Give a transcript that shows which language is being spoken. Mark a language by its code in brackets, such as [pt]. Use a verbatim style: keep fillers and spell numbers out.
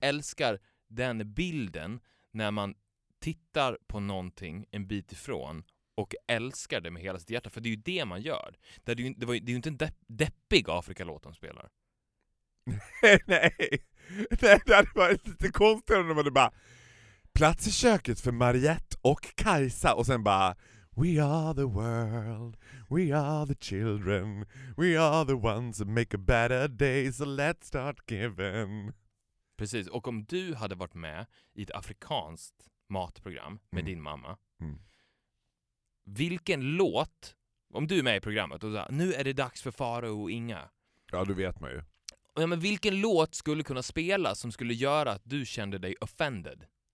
[sv] älskar den bilden när man tittar på någonting en bit ifrån och älskar det med hela sitt hjärta. För det är ju det man gör. Det är ju, det var, det är ju inte en depp, deppig Afrika-låt de spelar. Nej, det hade varit lite konstigt om de hade bara... Plats i köket för Mariette och Kajsa. [en] Och sen bara... We are the world. We are the children. We are the ones that make a better day. So let's start giving. [sv] Precis. Och om du hade varit med i ett afrikanskt matprogram med mm. din mamma. Mm. Vilken låt... Om du är med i programmet och så här, nu är det dags för Farao och Inga. Ja, du vet man ju. Ja, men vilken låt skulle kunna spela som skulle göra att du kände dig offended?